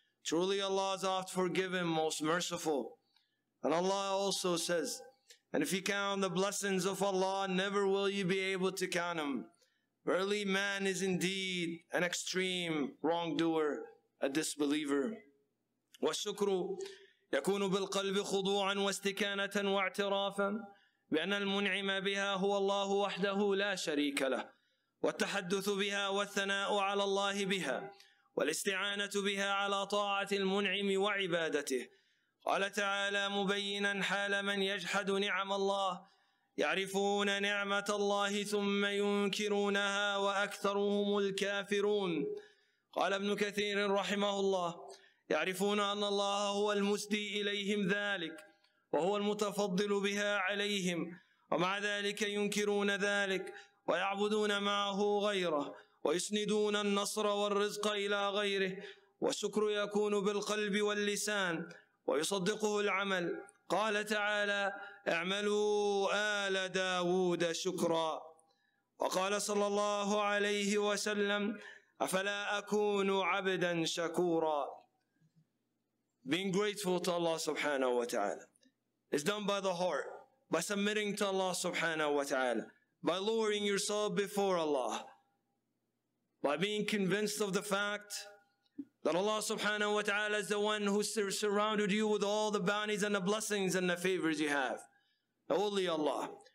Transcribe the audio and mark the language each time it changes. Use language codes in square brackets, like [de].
[en] Truly Allah is oft forgiving, most merciful. And Allah also says, and if you count the blessings of Allah, never will you be able to count them. Verily man is indeed an extreme wrongdoer, a disbeliever. [ar] وَالشُّكْرُ يكون بالقلب خضوعا واستكانة واعترافا بأن المنعم بها هو الله وحده لا شريك له والتحدث بها والثناء على الله بها والاستعانة بها على طاعة المنعم وعبادته. قال تعالى مبينا حال من يجحد نعم الله يعرفون نعمة الله ثم ينكرونها وأكثرهم الكافرون. قال ابن كثير رحمه الله يعرفون أن الله هو المسدي إليهم ذلك وهو المتفضل بها عليهم ومع ذلك ينكرون ذلك ويعبدون معه غيره ويسندون النصر والرزق إلى غيره والشكر يكون بالقلب واللسان ويصدقه العمل. قال تعالى: اعملوا آل داود شكرا. وقال صلى الله عليه وسلم: أفلا أكون عبدا شكورا. [en] Being grateful to Allah subhanahu wa ta'ala is done by the heart, by submitting to Allah subhanahu wa ta'ala, by lowering yourself before Allah, by being convinced of the fact that Allah subhanahu wa ta'ala is the one who surrounded you with all the bounties and the blessings and the favors you have. Only Allah.